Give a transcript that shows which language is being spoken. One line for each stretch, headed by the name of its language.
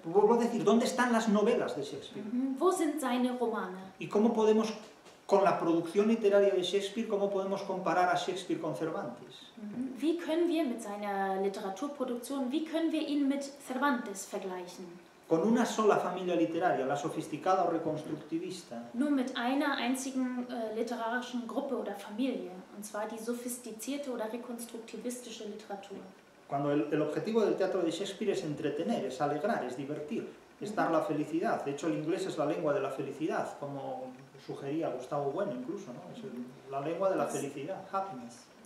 Spanish: Vuelvo a decir, ¿dónde están las novelas de Shakespeare?
German: Wo sind seine Romane?
Spanish: ¿Y cómo podemos, con la producción literaria de Shakespeare, cómo podemos comparar a Shakespeare con Cervantes?
German: Wie können wir mit seiner Literaturproduktion, wie können wir ihn mit Cervantes vergleichen?
Spanish: Con una sola familia literaria, la sofisticada o reconstructivista.
German: Nur mit einer einzigen literarischen Gruppe oder Familie, und zwar die sophistizierte oder reconstructivistische Literatur.
Spanish: Cuando el objetivo del teatro de Shakespeare es entretener, es alegrar, es divertir, es dar la felicidad. De hecho, el inglés es la lengua de la felicidad, como sugería Gustavo Bueno incluso, ¿no? Es la lengua de la felicidad, happiness.